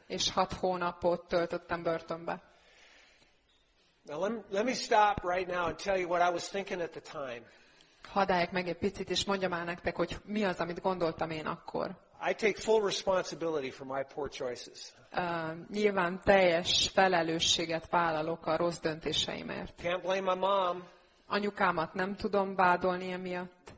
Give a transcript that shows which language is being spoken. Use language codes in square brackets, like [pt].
[hu] És 6 hónapot töltöttem börtönbe. [en] Now let me stop right now and tell you what I was thinking at the time. [hu] Hadd álljak meg egy picit, és mondjam el nektek, hogy mi az, amit gondoltam én akkor. [en] I take full responsibility for my poor choices. [hu] Nyilván teljes felelősséget vállalok a rossz döntéseimért. [en] Can't blame my mom. [hu] Anyukámat nem tudom vádolni emiatt.